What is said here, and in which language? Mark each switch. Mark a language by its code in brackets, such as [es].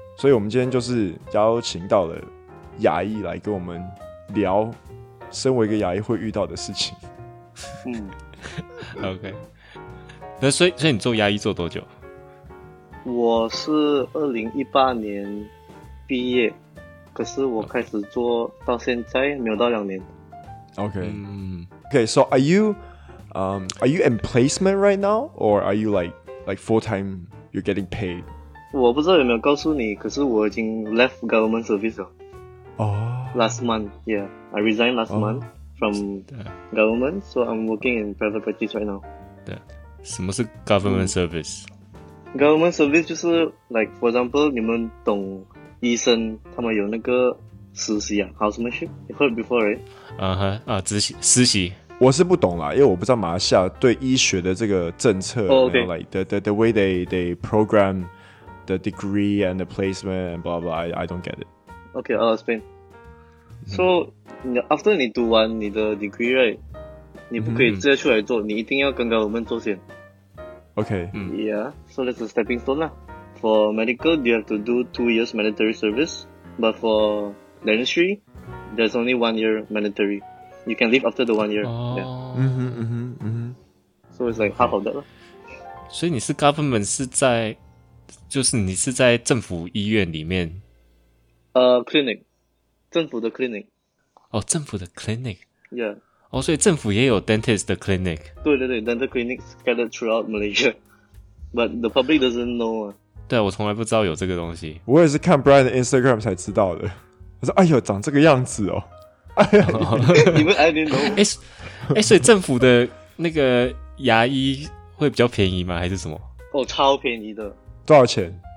[zh] 所以我们今天就是邀请到了牙医来跟我们聊，身为一个牙医会遇到的事情。嗯。 [en] OK。 [zh] 那所以你做牙医做多久？我是2018年毕业。可是我开始做到现在没有到两年。 [en] Okay. Okay. So are you in placement right now, or are you like full time? You're getting paid. [zh] 我不知道有没有告诉你，可是我已经 [en] left government service [zh] 了。哦。 [en] Last month, yeah, I resigned last month from government, so I'm working in private practice right now. [zh] 对，什么是 government service？ [en] Government service [zh] 就是 [en] like for example， [zh] 你们懂。医生他们有那个实习啊 ，housemanship， [en] you heard before it？ [zh] 啊哈啊，实习，我是不懂啦，因为我不知道马来西亚对医学的这个政策、 [en] oh, ，OK， you know, like the way they program the degree and the placement and blah blah， I don't get it。 OK， I'll explain。 So after [zh] 你读完你的 degree， right， 你不可以直接出来做， mm-hmm. 你一定要跟我们做先。 [en] OK， yeah， so that's a stepping stone 啦。 For medical, you have to do 2 years mandatory service. But for dentistry, there's only 1 year mandatory. You can leave after the 1 year. Oh. Yeah. Mm-hmm, mm-hmm. So it's like half of that. [zh] 所以你是 government 是在，就是你是在政府医院里面。 [en] Clinic, [zh] 政府的 [en] clinic. [zh] 哦，政府的 clinic. [en] Yeah. [zh] 哦，所以政府也有 dentist 的 clinic. 对对对 [en] ，dental clinics scattered throughout Malaysia, but the public doesn't know. [zh] 对，我从来不知道有这个东西。我也是看 Brian 的 Instagram 才知道的。我说：“哎呦，长这个样子哦！” 哎呦，你们 [en] I didn't know。 [zh] 哎，所以政府的那个牙医会比较便宜吗？还是什么？哦，超便宜的。多少钱